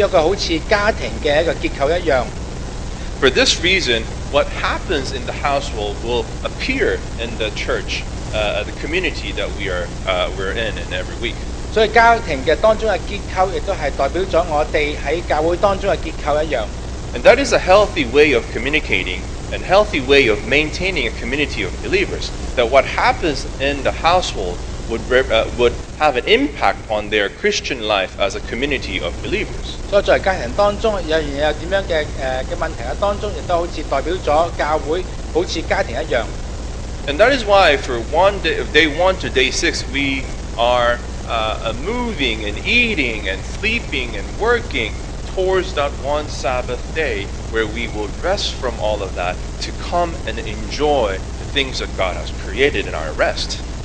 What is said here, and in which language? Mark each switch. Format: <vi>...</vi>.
<yue>所以一个作为教会嘅，都系基于一个好似家庭嘅一个结构一样。</yue> <en>For this reason, what happens in the household will appear in the church, the community that we're in, and every week.</en> <yue>所以家庭嘅当中嘅结构，亦都系代表咗我哋喺教会当中嘅结构一样。</yue> <en>And that is a healthy way of communicating and healthy way of maintaining a community of believers. That what happens in the household would have an impact on their Christian life as a community of believers.</en> <yue>所以在家庭当中，有人有点样嘅问题当中，亦都好似代表咗教会，好似家庭一样。</yue> <en>And that is why for day one to day six, we are moving and eating and sleeping and working towards that one Sabbath day where we will rest from all of that to come and enjoy the things that God has created in our rest.</en>